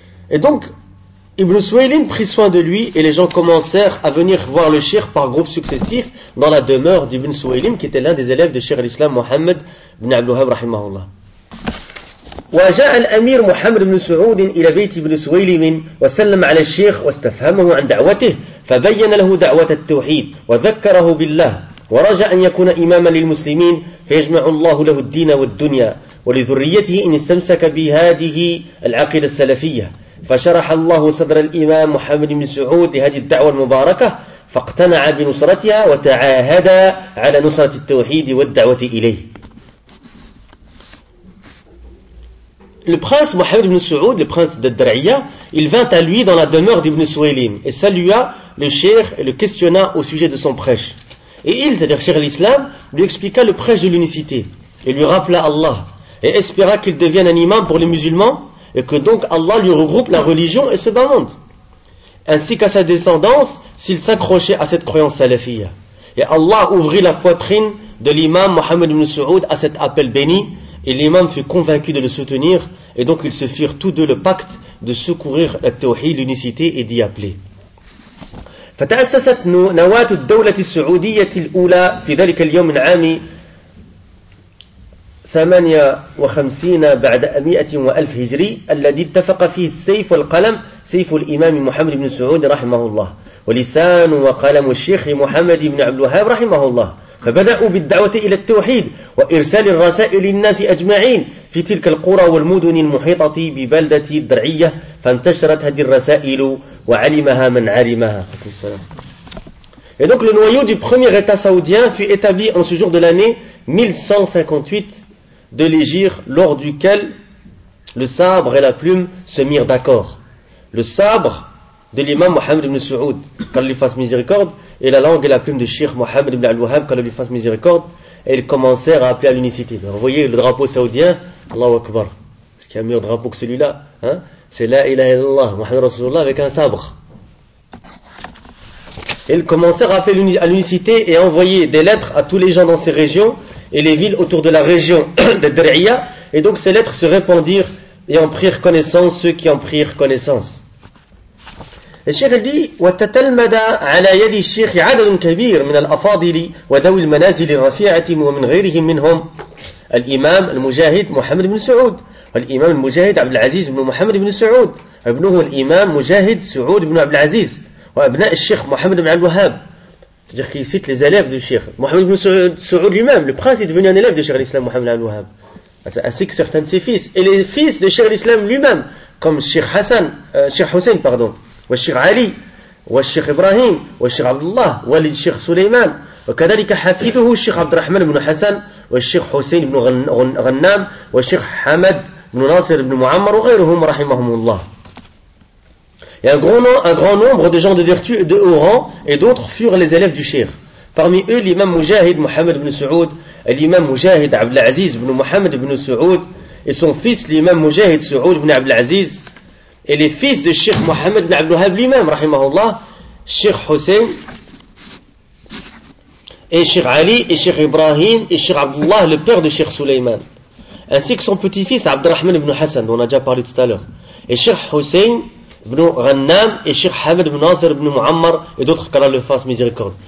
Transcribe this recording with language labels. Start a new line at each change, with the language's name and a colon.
French: Et donc, Ibn Suwaylim prit soin de lui et les gens commencèrent à venir voir le Cheikh par groupes successifs dans la demeure d'Ibn Suwaylim, qui était l'un des élèves de Cheikh l'Islam Mohammed ibn al-Wahhab, rahimahumullah.
Arabic: وجاء الأمير محمد بن سعود إلى بيت ابن سويلم وسلم على الشيخ واستفهمه عن دعوته فبين له دعوة التوحيد وذكره بالله ورجى أن يكون إماما للمسلمين فيجمع الله له الدين والدنيا ولذريته إن استمسك بهذه العقيدة السلفية فشرح الله صدر الإمام محمد بن سعود لهذه الدعوة المباركة فاقتنع بنصرتها وتعاهد على نصرة التوحيد والدعوة إليه.
French: Le prince Mohammed ibn Saoud, le prince de Dar'iyah, il vint à lui dans la demeure d'Ibn Suwaylim et salua le cheikh et le questionna au sujet de son prêche. Et il, c'est-à-dire cheikh l'Islam, lui expliqua le prêche de l'unicité et lui rappela Allah et espéra qu'il devienne un imam pour les musulmans et que donc Allah lui regroupe la religion et ce bas monde, ainsi qu'à sa descendance s'il s'accrochait à cette croyance salafia. Et Allah ouvrit la poitrine de l'imam Mohammed ibn Saoud à cet appel béni. Et l'imam fut convaincu de le soutenir, et donc ils se firent tous deux le pacte de secourir la tawhid, l'unicité, et d'y appeler.
Arabic: فتأسست نواة الدولة السعودية الأولى في ذلك اليوم عام 58 بعد 100,000 هجري الذي اتفق فيه السيف والقلم سيف الإمام محمد بن سعود رحمه الله ولسان وقلم الشيخ محمد بن عبد الوهاب رحمه الله. فبدأوا بالدعوة إلى التوحيد وإرسال الرسائل للناس أجمعين في تلك القرى والمدن المحيطة ببلدة الدرعية فانتشرت هذه الرسائل وعلمها من علمها.
French: Et donc le noyau du premier état saoudien fut établi en ce jour de l'année 1158 de l'Hégire, lors duquel le sabre et la plume se mirent d'accord. Le sabre de l'imam Mohammed ibn Saoud, qu'Allah lui fasse miséricorde, et la langue et la plume de Cheikh Mohammed ibn al-Wahhab, qu'Allah lui fasse miséricorde, et ils commencèrent à appeler à l'unicité. Alors, vous voyez le drapeau saoudien, Allahu Akbar, est-ce qu'il y a un meilleur drapeau que celui-là, hein? C'est La ilaha illallah, Mohammed Rasulullah avec un sabre. Ils commencèrent à appeler à l'unicité et à envoyer des lettres à tous les gens dans ces régions et les villes autour de la région de Dar'iyah, et donc ces lettres se répandirent et en prirent connaissance ceux qui en prirent connaissance.
Arabic: الشيخ دي وتتلمد على يد الشيخ عدد كبير من الأفاضل وذوي المنازل الرفيعة ومن غيرهم منهم الإمام المجاهد محمد بن سعود والإمام المجاهد عبد العزيز بن محمد بن سعود ابنه الإمام مجاهد سعود بن عبد العزيز وأبناء الشيخ محمد بن عبد الوهاب.
French: C'est-à-dire qu'il cite les élèves du Cheikh Mohammed ibn Saoud lui-même. Le prince est devenu un élève de Cheikh l'Islam Mohammed ibn al-Wahhab, ainsi que certains de ses fils et les fils de Cheikh l'Islam lui-même, comme Cheikh Hassan, Cheikh Hussein, pardon,
Arabic: والشيخ علي والشيخ إبراهيم والشيخ عبد الله والد الشيخ سليمان وكذلك حفيده الشيخ عبد الرحمن بن حسن والشيخ حسين بن غنام والشيخ حمد بن ناصر بن معمر وغيرهم رحمهم الله.
French: Et un grand nombre de gens de vertu et de haut rang et d'autres furent les élèves du Cheikh. Parmi eux, l'imam Mujahid Muhammad ibn Saoud, l'imam Mujahid Abdel Aziz ibn Muhammad ibn Saoud, et son fils, l'imam Mujahid Saoud ibn Abdel Aziz, et les fils de Cheikh Muhammad ibn Abdel Wahhab, l'imam, rahimahullah, Cheikh Hussein, et Cheikh Ali, et Cheikh Ibrahim, et Cheikh Abdullah, le père de Cheikh Suleiman, ainsi que son petit-fils Abdelrahman ibn Hassan, dont on a déjà parlé tout à l'heure, et Cheikh Hussein, ibn Ghannam et Cheikh Hamad ibn Nasser ibn Muammar et d'autres qu'Allah le fasse miséricorde.